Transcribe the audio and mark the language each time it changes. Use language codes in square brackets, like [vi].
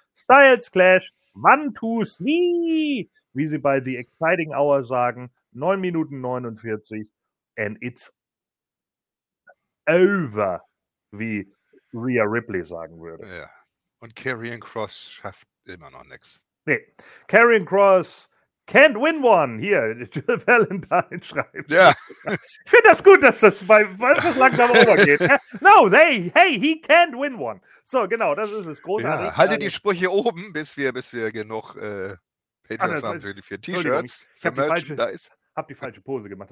[de] Styles Clash, 1, 2, 3, wie sie bei The Exciting Hour sagen, 9 Minuten 49 [en] and it's over, [de] wie Rhea Ripley sagen würde. Ja. Und Karrion Kross schafft immer noch nichts. Nee. [en] Karrion Kross can't win one. [de] Hier, Jill Valentine schreibt. Ja. Ich finde das gut, dass das bei das langsam übergeht. [en] No, he can't win one. So, [de] genau, das ist es. Großartig. Ja, halte die Sprüche oben, bis wir genug Patreons haben für die 4 T-Shirts. Ich habe die falsche Pose gemacht.